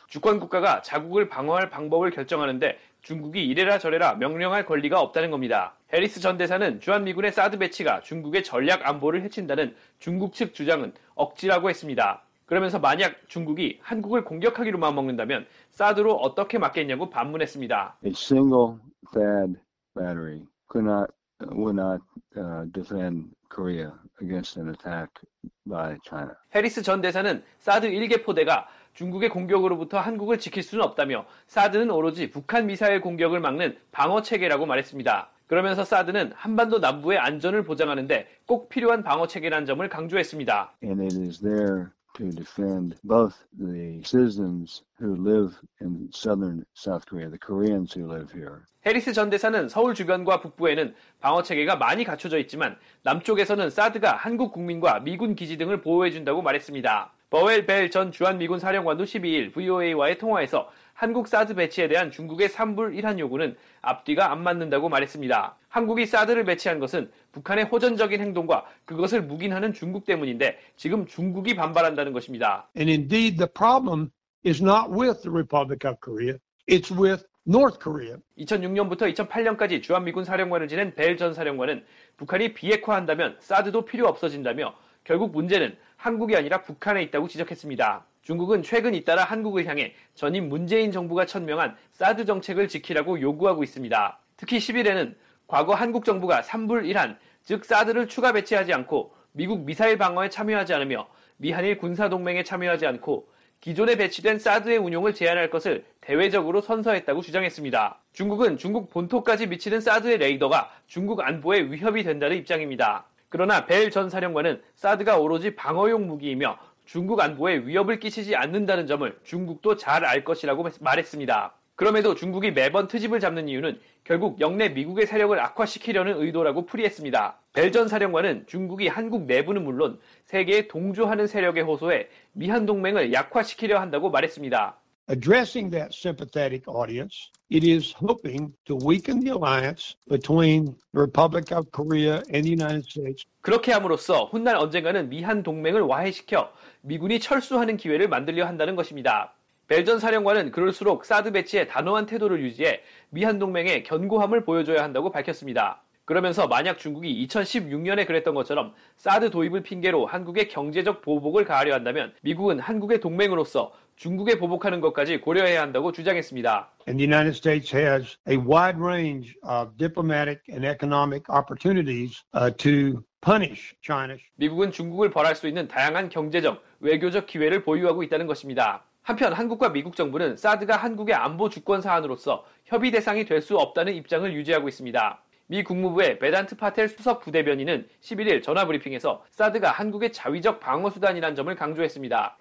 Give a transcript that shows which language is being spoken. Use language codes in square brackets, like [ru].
[ko] 주권 국가가 자국을 방어할 방법을 결정하는데 중국이 이래라 저래라 명령할 권리가 없다는 겁니다. 해리스 전 대사는 주한미군의 사드 배치가 중국의 전략 안보를 해친다는 중국 측 주장은 억지라고 했습니다. 그러면서 만약 중국이 한국을 공격하기로만 먹는다면 사드로 어떻게 막겠냐고 반문했습니다. [en] A single THAAD battery would not defend Korea against an attack by China. [ko] 해리스 전 대사는 사드 1개 포대가 중국의 공격으로부터 한국을 지킬 수는 없다며 사드는 오로지 북한 미사일 공격을 막는 방어 체계라고 말했습니다. 그러면서 사드는 한반도 남부의 안전을 보장하는데 꼭 필요한 방어 체계라는 점을 강조했습니다. [en] And it is there to defend both the citizens who live in southern South Korea, the Koreans who live here. [ko] 해리스 전 대사는 서울 주변과 북부에는 방어 체계가 많이 갖춰져 있지만 남쪽에서는 사드가 한국 국민과 미군 기지 등을 보호해 준다고 말했습니다. 버웰 벨 전 주한미군 사령관도 12일 VOA와의 통화에서 한국 사드 배치에 대한 중국의 3불 1한 요구는 앞뒤가 안 맞는다고 말했습니다. 한국이 사드를 배치한 것은 북한의 호전적인 행동과 그것을 묵인하는 중국 때문인데 지금 중국이 반발한다는 것입니다. [en] And indeed the problem is not with the Republic of Korea, it's with North Korea. [ko] 2006년부터 2008년까지 주한미군 사령관을 지낸 벨 전 사령관은 북한이 비핵화한다면 사드도 필요 없어진다며 결국 문제는 한국이 아니라 북한에 있다고 지적했습니다. 중국은 최근 잇따라 한국을 향해 전임 문재인 정부가 천명한 사드 정책을 지키라고 요구하고 있습니다. 특히 10일에는 과거 한국 정부가 3불 1한, 즉 사드를 추가 배치하지 않고 미국 미사일 방어에 참여하지 않으며 미한일 군사동맹에 참여하지 않고 기존에 배치된 사드의 운용을 제한할 것을 대외적으로 선서했다고 주장했습니다. 중국은 중국 본토까지 미치는 사드의 레이더가 중국 안보에 위협이 된다는 입장입니다. 그러나 벨 전 사령관은 사드가 오로지 방어용 무기이며 중국 안보에 위협을 끼치지 않는다는 점을 중국도 잘 알 것이라고 말했습니다. 그럼에도 중국이 매번 트집을 잡는 이유는 결국 영내 미국의 세력을 악화시키려는 의도라고 풀이했습니다. 벨 전 사령관은 중국이 한국 내부는 물론 세계에 동조하는 세력의 호소에 미한동맹을 약화시키려 한다고 말했습니다. [en] Addressing that sympathetic audience, it is hoping to weaken the alliance between the Republic of Korea and the United States. [ko] 그렇게 함으로써 훗날 언젠가는 미한 동맹을 와해시켜 미군이 철수하는 기회를 만들려 한다는 것입니다. 벨 전 사령관은 그럴수록 사드 배치에 단호한 태도를 유지해 미한 동맹의 견고함을 보여줘야 한다고 밝혔습니다. 그러면서 만약 중국이 2016년에 그랬던 것처럼 사드 도입을 핑계로 한국의 경제적 보복을 가하려 한다면 미국은 한국의 동맹으로서 중국에 보복하는 것까지 고려해야 한다고 주장했습니다. [en] And the United States has a wide range of diplomatic and economic opportunities to punish China. [ko] 미국은 중국을 벌할 수 있는 다양한 경제적, 외교적 기회를 보유하고 있다는 것입니다. 한편 한국과 미국 정부는 사드가 한국의 안보 주권 사안으로서 협의 대상이 될 수 없다는 입장을 유지하고 있습니다. 미 국무부의 베단트 파텔 수석 부대변인은 11일 전화 브리핑에서 사드가 한국의 자위적 방어수단이라는 점을 강조했습니다.